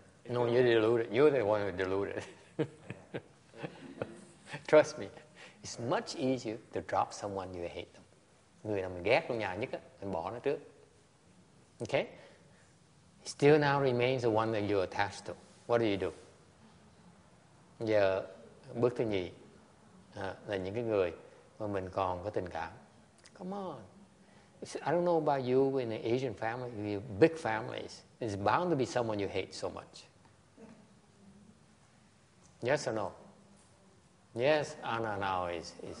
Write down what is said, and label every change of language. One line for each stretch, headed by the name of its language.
English: No, you're deluded. You're the one who deluded. Trust me. It's much easier to drop someone you hate them.
Vietnamese: Người nào mình ghét trong nhà nhất á, mình bỏ nó trước.
English: Okay? Still now remains the one that you're attached to. What do you do?
Vietnamese: Giờ, bước thứ nhì là những cái người mà mình còn có tình cảm.
English: Come on. I don't know about you in an Asian family, you have big families. It's bound to be someone you hate so much. Yes or no? Yes, Anna now is.